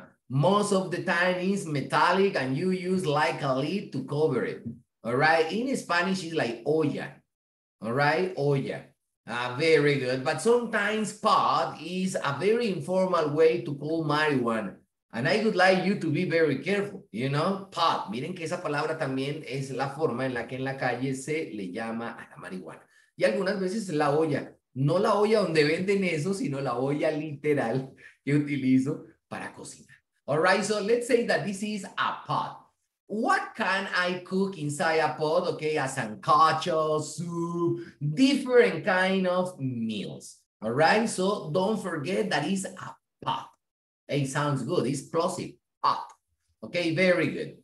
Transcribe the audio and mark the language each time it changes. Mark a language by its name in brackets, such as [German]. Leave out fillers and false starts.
[English] Most of the time it's metallic and you use like a lid to cover it, all right? In Spanish, it's like olla. All right, olla, very good. But sometimes pot is a very informal way to call marijuana. And I would like you to be very careful, you know? [Spanish] Pot, miren que esa palabra también es la forma en la que en la calle se le llama a la marihuana. Y algunas veces la olla, no la olla donde venden eso, sino la olla literal que utilizo para cocinar. [English] All right, so let's say that this is a pot. What can I cook inside a pot? Okay, a sancocho, soup, different kind of meals. All right, so don't forget that it's a pot. It sounds good, it's plosive, pot. Okay, very good.